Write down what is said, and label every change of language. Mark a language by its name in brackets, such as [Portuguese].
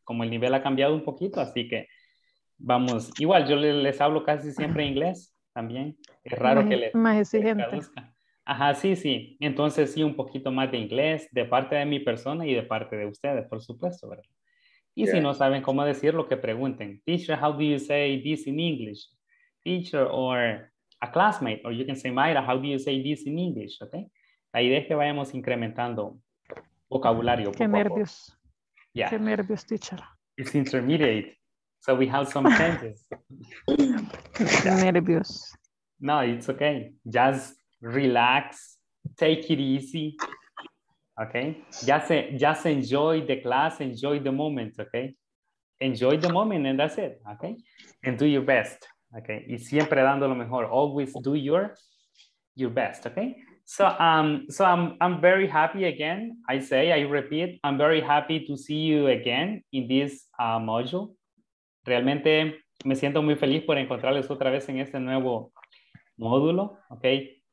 [Spanish] Como el nivel ha cambiado un poquito, así que vamos. Igual, yo les hablo casi siempre en inglés también. Es raro más, que les más exigente. Les ajá, sí. Entonces, sí, un poquito más de inglés de parte de mi persona y de parte de ustedes, por supuesto, ¿verdad? Y yeah. Si no saben cómo decirlo, que pregunten. [English] Teacher, how do you say this in English? Teacher, or a classmate, or you can say, Mayra, how do you say this in English, okay? [Spanish] La idea es que vayamos incrementando vocabulario. Qué nervios. [English] Yeah. [Spanish] Qué nervios, teacher. [English] It's intermediate, so we have some changes. [Spanish] Qué nervios. [English] No, it's okay. Just relax, take it easy, okay? Just enjoy the class, enjoy the moment, okay? Enjoy the moment and that's it, okay? And do your best. [Spanish] Okay, y siempre dando lo mejor. [English] Always do your best, okay? So I'm very happy again. I repeat, I'm very happy to see you again in this module. [Spanish] Realmente me siento muy feliz por encontrarles otra vez en este nuevo módulo, okay?